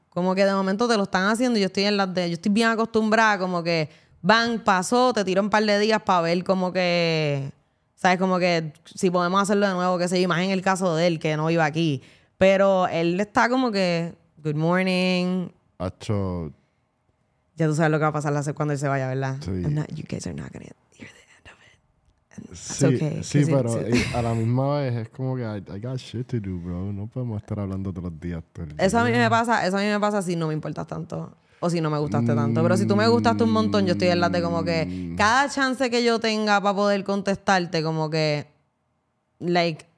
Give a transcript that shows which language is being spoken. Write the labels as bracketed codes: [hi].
[es] Como que de momento te lo están haciendo y yo estoy bien acostumbrada, como que bang, pasó, te tiro un par de días para ver como que, ¿sabes? Como que si podemos hacerlo de nuevo, qué sé yo, más en el caso de él, que no iba aquí. Pero él está como que, [en] good morning. [es] Acho. Ya tú sabes lo que va a pasar cuando él se vaya, ¿verdad? Sí. [en] You guys are not gonna hear the end of it. And that's [es] sí, [en] okay. [es] Sí, pero a la misma vez es como que [en] I got shit to do, bro. [es] No podemos estar hablando todos los días. Eso a mí me pasa si no me importas tanto. O si no me gustaste tanto. Pero si tú me gustaste un montón, yo estoy en la de como que cada chance que yo tenga para poder contestarte, como que, like,